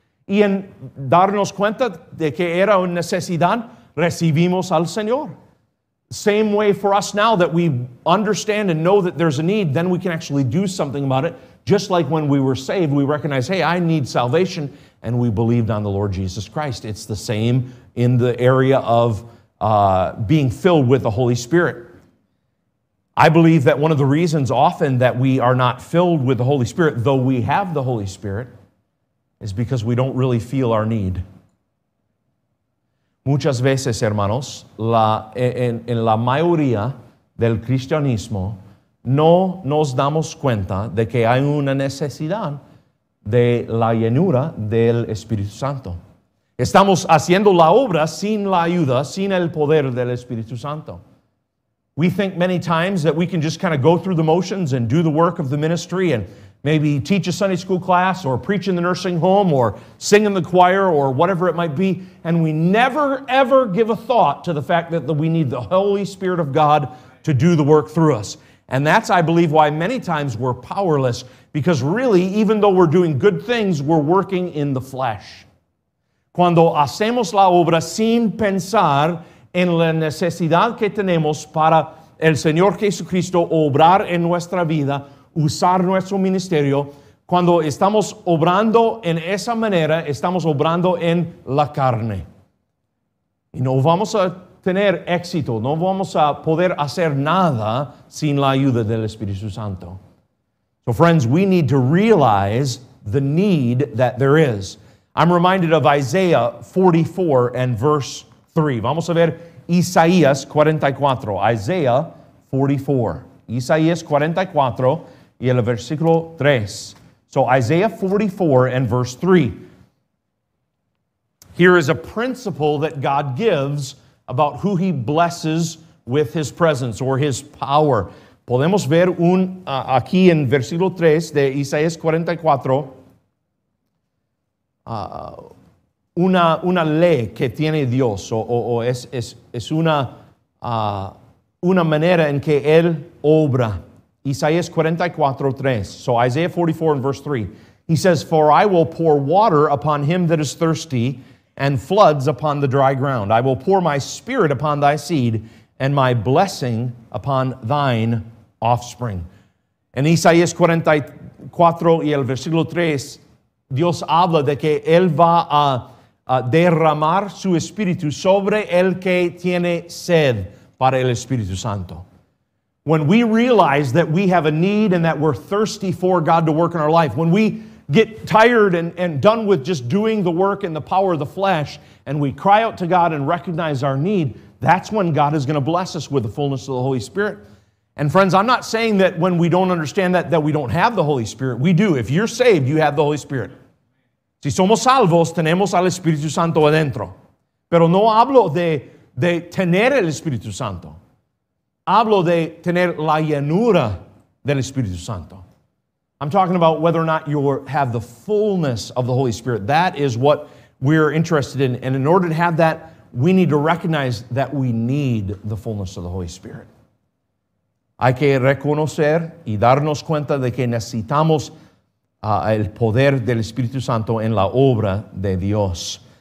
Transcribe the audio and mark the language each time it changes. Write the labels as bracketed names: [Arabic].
[Spanish] Y en darnos cuenta de que era una necesidad, recibimos al Señor. [English] Same way for us now that we understand and know that there's a need, then we can actually do something about it. Just like when we were saved, we recognize, hey, I need salvation, and we believed on the Lord Jesus Christ. It's the same in the area of being filled with the Holy Spirit. I believe that one of the reasons often that we are not filled with the Holy Spirit, though we have the Holy Spirit, is because we don't really feel our need. [Spanish] Muchas veces, hermanos, en la mayoría del cristianismo, no nos damos cuenta de que hay una necesidad de la llenura del Espíritu Santo. Estamos haciendo la obra sin la ayuda, sin el poder del Espíritu Santo. [English] We think many times that we can just kind of go through the motions and do the work of the ministry and maybe teach a Sunday school class or preach in the nursing home or sing in the choir or whatever it might be. And we never, ever give a thought to the fact that we need the Holy Spirit of God to do the work through us. And that's, I believe, why many times we're powerless, because really, even though we're doing good things, we're working in the flesh. [Spanish] Cuando hacemos la obra sin pensar en la necesidad que tenemos para el Señor Jesucristo obrar en nuestra vida, usar nuestro ministerio, cuando estamos obrando en esa manera, estamos obrando en la carne. Y no vamos a tener éxito, no vamos a poder hacer nada sin la ayuda del Espíritu Santo. [English] So friends, we need to realize the need that there is. I'm reminded of Isaiah 44 and verse 3. [Spanish] Vamos a ver Isaías 44, Isaiah 44. Isaías 44 y el versículo 3. [English] So Isaiah 44 and verse 3. Here is a principle that God gives about who he blesses with his presence or his power. [Spanish] Podemos ver aquí en versículo 3 de Isaías 44, una ley que tiene Dios, una manera en que él obra. [English] Isaías 44, 3. So Isaiah 44 and verse 3. He says, "For I will pour water upon him that is thirsty, and floods upon the dry ground. I will pour my spirit upon thy seed, and my blessing upon thine offspring." [Spanish] En Isaías 44 y el versículo 3, Dios habla de que Él va a derramar su Espíritu sobre el que tiene sed para el Espíritu Santo. [English] When we realize that we have a need and that we're thirsty for God to work in our life, when we get tired and done with just doing the work and the power of the flesh, and we cry out to God and recognize our need, that's when God is going to bless us with the fullness of the Holy Spirit. And friends, I'm not saying that when we don't understand that we don't have the Holy Spirit. We do. If you're saved, you have the Holy Spirit. [Spanish] Si somos salvos, tenemos al Espíritu Santo adentro. Pero no hablo de tener el Espíritu Santo. Hablo de tener la llenura del Espíritu Santo. [English] I'm talking about whether or not you have the fullness of the Holy Spirit. That is what we're interested in. And in order to have that, we need to recognize that we need the fullness of the Holy Spirit. [Spanish] Hay que reconocer y darnos cuenta de que necesitamos el poder del Espíritu Santo en la obra de Dios.